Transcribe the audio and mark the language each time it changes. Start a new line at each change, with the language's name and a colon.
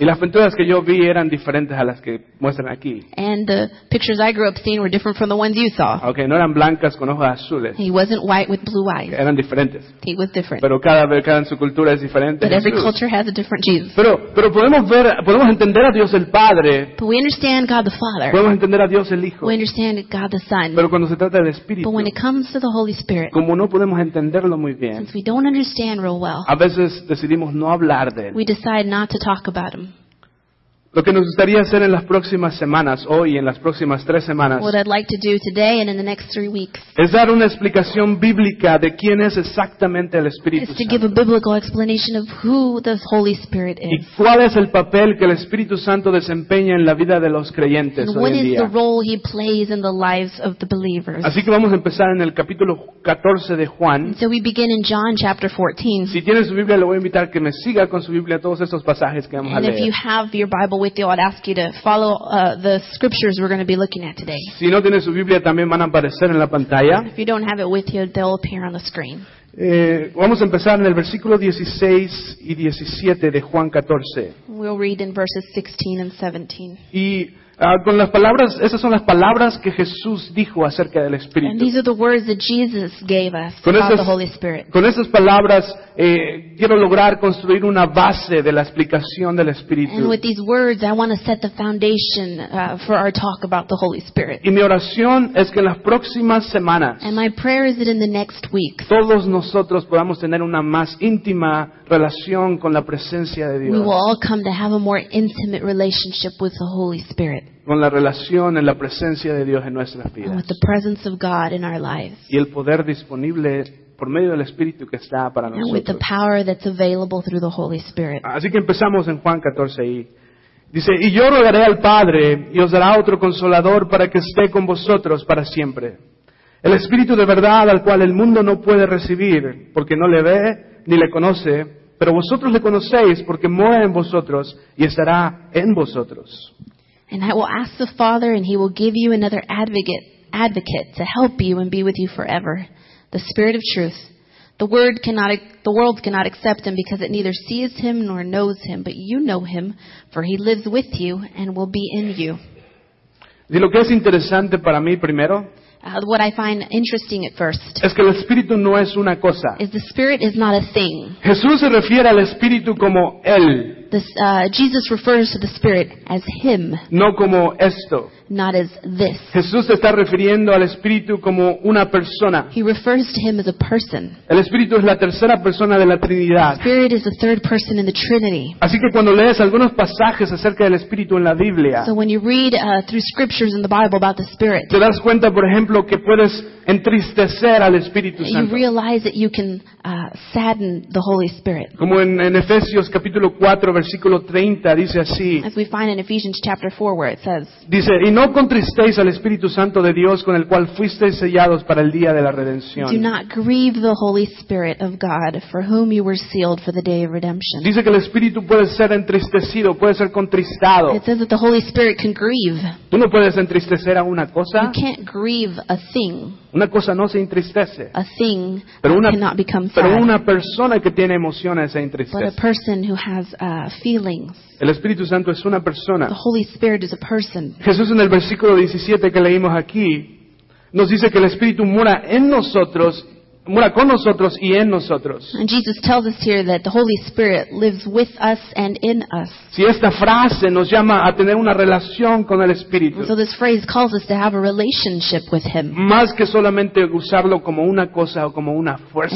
Spanish: Y las pinturas que yo vi eran diferentes a las que muestran aquí.
English: And the pictures I grew up seeing were different from the ones you saw.
Spanish: Okay, no eran blancas con ojos azules.
English: He wasn't white with blue eyes.
Spanish: Eran diferentes.
English: He was different.
Spanish: Pero cada en su cultura es diferente.
English: But every culture has a different Jesus.
Spanish: Pero podemos entender a Dios el Padre.
English: But we understand God the Father.
Spanish: Podemos entender a Dios el Hijo.
English: We understand God the Son.
Spanish: Pero cuando se trata del Espíritu.
English: But when it comes to the Holy Spirit.
Spanish: Como no podemos entenderlo muy bien.
English: Since we don't understand real well.
Spanish: A veces decidimos no hablar de él.
English: We decide not to talk about him.
Spanish: Lo que nos gustaría hacer en las próximas semanas, hoy y en las próximas tres semanas,
English: what I'd like to do today and in the next three weeks,
Spanish: es dar una explicación bíblica de quién es exactamente el Espíritu Santo.
English: Is to give a biblical explanation of who the Holy Spirit is.
Spanish: Y cuál es el papel que el Espíritu Santo desempeña en la vida de los creyentes hoy en día.
English: And what is the role he plays in the lives of the believers.
Spanish: Así que vamos a empezar en el capítulo 14 de Juan.
English: So we begin in John chapter 14.
Spanish: Si tiene su Biblia, le voy a invitar que me siga con su Biblia todos estos pasajes que vamos a leer.
English: And if you have your Bible with you, I'd ask you to follow the scriptures we're going to be looking at today.
Spanish: Si no tiene su Biblia, también van a aparecer en la pantalla.
English: If you don't have it with you, they'll appear on the screen.
Spanish: Vamos a empezar en el versículo 16 y 17 de Juan 14.
English: We'll read in verses 16 and 17.
Spanish: Con las palabras, esas son las palabras que Jesús dijo acerca del Espíritu.
English: And these are the words that Jesus gave us about
Spanish: esas,
English: the Holy Spirit.
Spanish: Con esas palabras quiero lograr construir una base de la explicación del Espíritu.
English: And with these words I want to set the foundation for our talk about the Holy Spirit.
Spanish: Y mi oración es que en las próximas semanas,
English: and my prayer is that in the next weeks,
Spanish: todos nosotros podamos tener una más íntima relación con la presencia de Dios.
English: We will all come to have a more intimate relationship with the Holy Spirit.
Spanish: Con la relación en la presencia de Dios en nuestras vidas.
English: With the presence of God in our lives.
Spanish: Y el poder disponible por medio del Espíritu que está para
English: and
Spanish: nosotros.
English: With the power that's available through the Holy Spirit.
Spanish: Así que empezamos en Juan 14 y dice, y yo rogaré al Padre y os dará otro Consolador para que esté con vosotros para siempre. El Espíritu de verdad al cual el mundo no puede recibir porque no le ve ni le conoce, pero vosotros le conocéis porque mora en vosotros y estará en vosotros.
English: And I will ask the Father, and he will give you another advocate to help you and be with you forever, the Spirit of Truth. The world cannot accept him because it neither sees him nor knows him, but you know him, for he lives with you and will be in you.
Spanish: Y lo que es interesante para mí primero,
English: what I find interesting at first
Spanish: es que el Espíritu no es una cosa.
English: Is the Spirit is not a thing.
Spanish: Jesús se refiere al Espíritu como él.
English: Jesus refers to the Spirit as him.
Spanish: No como esto.
English: Not as this.
Spanish: Jesús se está refiriendo al Espíritu como una persona.
English: He refers to him as a person.
Spanish: El Espíritu es la tercera persona de la Trinidad.
English: The Spirit is the third person in the Trinity.
Spanish: Así que cuando lees algunos pasajes acerca del Espíritu en la Biblia,
English: so when you read through scriptures in the Bible about the Spirit,
Spanish: te das cuenta, por ejemplo, que puedes entristecer al Espíritu Santo.
English: You realize that you can sadden the Holy Spirit.
Spanish: Como en Efesios capítulo 4 versículo 30 dice así.
English: As we find in Ephesians chapter 4 where it says,
Spanish: dice, y no contristéis al Espíritu Santo de Dios con el cual fuisteis sellados para el día de la redención.
English: Do not grieve the Holy Spirit of God for whom you were sealed for the day of redemption.
Spanish: Dice que el Espíritu puede ser entristecido, puede ser contristado.
English: It says that the Holy Spirit can grieve.
Spanish: Tú no puedes entristecer a una cosa.
English: You can't grieve a thing.
Spanish: Una cosa no se entristece.
English: A thing cannot become sad.
Spanish: Pero una persona que tiene emociones se entristece.
English: But a person who has feelings.
Spanish: El Espíritu Santo es una persona.
English: The Holy Spirit is a person.
Spanish: Jesús en el versículo 17 que leímos aquí nos dice que el Espíritu mora en nosotros, mora con nosotros y en nosotros.
English: And Jesus tells us here that the Holy Spirit lives with us and in us.
Spanish: Si esta frase nos llama a tener una relación con el Espíritu.
English: So this phrase calls us to have a relationship with him.
Spanish: Más que solamente usarlo como una cosa o como una fuerza.